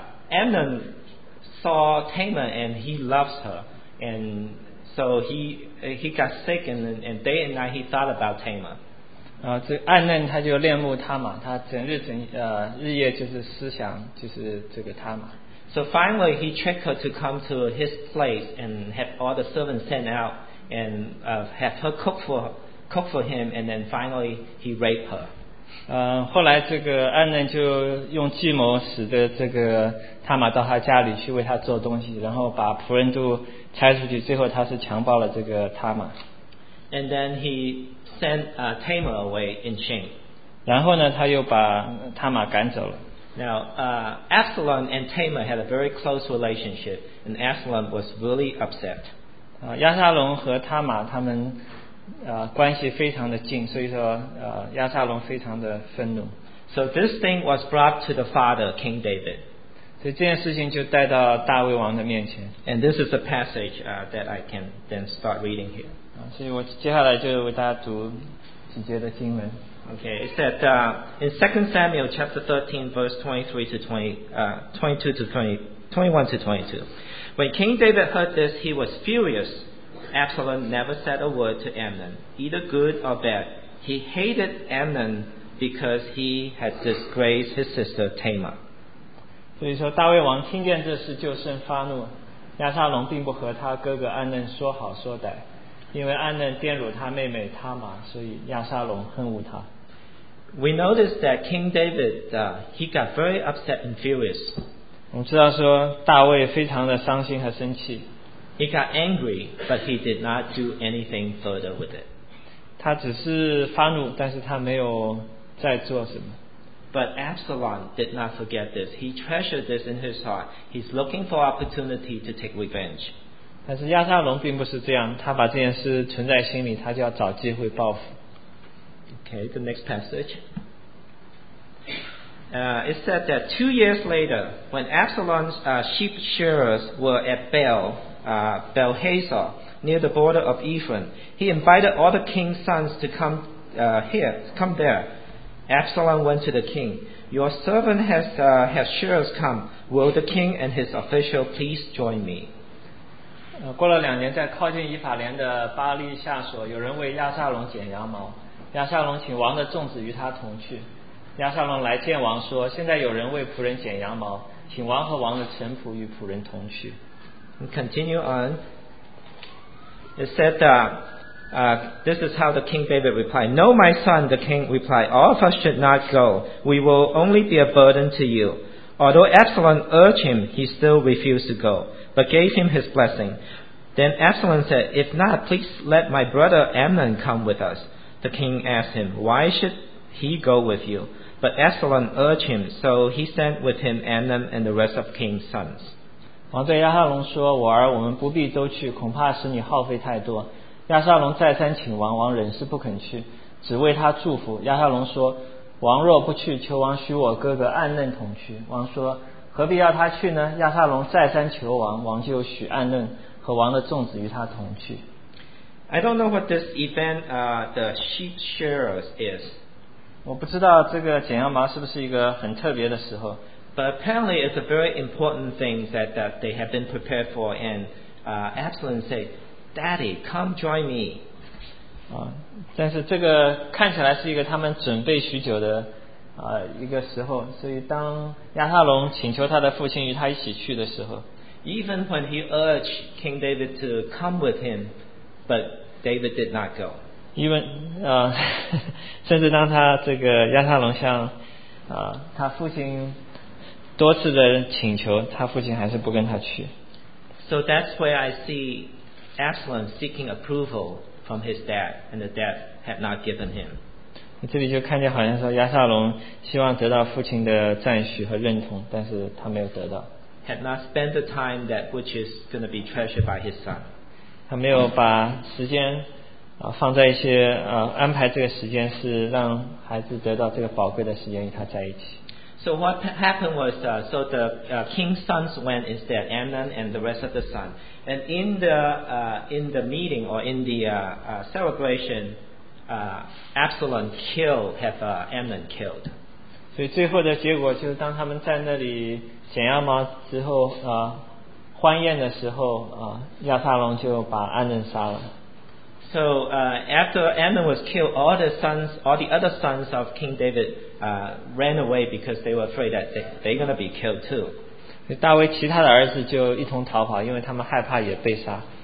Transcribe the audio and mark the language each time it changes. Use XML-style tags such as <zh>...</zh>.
<en>Amnon saw Tamar and he loves her, and so he got sick and day and night he thought about Tamar.</en> <zh>这暗嫩他就恋慕他嘛，他整日整日夜就是思想就是这个他嘛。</zh> <en>So finally he tricked her to come to his place and have all the servants sent out and have her cook for him, and then finally he raped her.</en> <zh>后来这个暗嫩就用计谋使得这个塔玛到他家里去为他做东西，然后把仆人都拆出去，最后他是强暴了这个塔玛。</zh> <en>And then he sent Tamar away in shame.</en> <zh>然后呢，他又把塔玛赶走了。</zh> <en>Now Absalom and Tamar had a very close relationship, and Absalom was really upset.</en> <zh>亚沙龙和塔玛他们关系非常的近，所以说亚沙龙非常的愤怒。</zh> <en>So this thing was brought to the father, King David.</en> <zh>所以这件事情就带到大卫王的面前。</zh> <en>And this is the passage that I can then start reading here.</en> <zh>所以我接下来就为大家读几节的经文。</zh> <en>Okay, it said in 2 Samuel chapter 13, verse 23 to 21 to 22. When King David heard this, he was furious. Absalom never said a word to Amnon, either good or bad. He hated Amnon because he had disgraced his sister Tamar.</en> <zh>所以说大卫王听见这事就甚发怒，亚沙龙并不和他哥哥暗嫩说好说歹，因为暗嫩玷辱他妹妹塔玛，所以亚沙龙恨恶他。</zh> <en>We notice that King David, he got very upset and furious.</en> <zh>我们知道说大卫非常的伤心和生气。</zh> <en>He got angry, but he did not do anything further with it.</en> <zh>他只是发怒，但是他没有再做什么。</zh> <en>But Absalom did not forget this. He treasured this in his heart. He's looking for opportunity to take revenge.</en> <zh>但是亚沙龙并不是这样，他把这件事存在心里，他就要找机会报复。</zh> <en>Okay, the next passage. It said that 2 years later, when Absalom's sheep shearers were at Belhazzar, near the border of Ephraim, he invited all the king's sons to come there. Absalom went to the king. Your servant has shearers come. Will the king and his official please join me?</en> <zh>过了两年，在靠近以法莲的巴利下所，有人为亚沙龙剪羊毛。亚沙龙请王的众子与他同去。亚沙龙来见王说，现在有人为仆人剪羊毛，请王和王的臣仆与仆人同去。</zh> <en>And continue on. It said, this is how the King David replied. No, my son, the king replied, all of us should not go. We will only be a burden to you. Although Absalom urged him, he still refused to go, but gave him his blessing. Then Absalom said, if not, please let my brother Amnon come with us. The king asked him, why should he go with you? But Absalom urged him, so he sent with him Amnon and the rest of king's sons.</en> <zh>王对亚沙龙说，我儿，我们不必都去，恐怕使你耗费太多。亚沙龙再三请王，王仍是不肯去，只为他祝福。亚沙龙说，王若不去，求王许我哥哥暗嫩同去。王说，何必要他去呢？亚沙龙再三求王，王就许暗嫩和王的众子与他同去。</zh> <en>I don't know what this event the sheep shearers is.</en> <zh>我不知道这个剪羊毛是不是一个很特别的时候。</zh> <en>But apparently it's a very important thing that they have been prepared for, and Absalom said, Daddy, come join me.</en> <zh>但是这个看起来是一个他们准备许久的一个时候，所以当亚沙龙请求他的父亲与他一起去的时候，</zh> <en>Even when he urged King David to come with him, but David did not go.</en> <zh>Even, 甚至当他这个亚沙龙向他父亲多次的请求，他父亲还是不跟他去。</zh> <en>So that's where I see Absalom seeking approval from his dad, and the dad had not given him.</en> <zh>这里就看见好像说亚撒龙希望得到父亲的赞许和认同，但是他没有得到。</zh> <en>Had not spent the time that which is going to be treasured by his son.</en> <zh>他没有把时间放在一些安排这个时间是让孩子得到这个宝贵的时间与他在一起。</zh> <en>So what happened was, so the king's sons went instead, Amnon and the rest of the sons. And in the meeting or in the celebration, Absalom killed, have Amnon killed.</en> <zh>所以最后的结果就是当他们在那里剪羊毛之后欢宴的时候亚撒龙就把安嫩杀了。</zh> <en>So after Amnon was killed, all the sons, all the other sons of King David, ran away because they were afraid that they're going to be killed too.</en> <zh>大卫其他的儿子就一同逃跑，因为他们害怕也被杀。</zh>